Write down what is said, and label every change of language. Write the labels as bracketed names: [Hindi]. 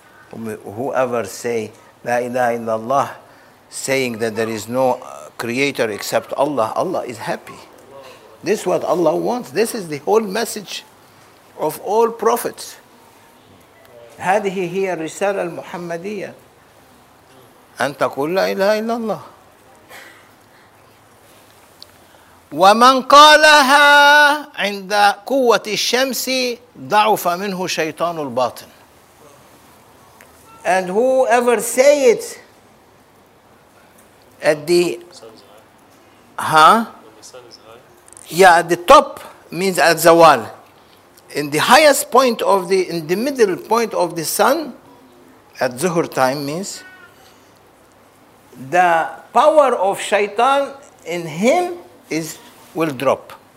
[English] Whoever say [Arabic] la ilaha illallah, [English] saying that there is no creator except Allah, Allah is happy. This is what Allah wants. This is the whole message of all prophets. [Arabic] هذه هي الرسالة المحمدية. أن تقول لا إله إلا الله. ومن قالها عند قوة الشمس ضعف منه شيطان الباطن. [English] And whoever say it at the at the top means at zawal, in the highest point of the, in the middle point of the sun at zuhur time, means the power of shaitan in him is will drop.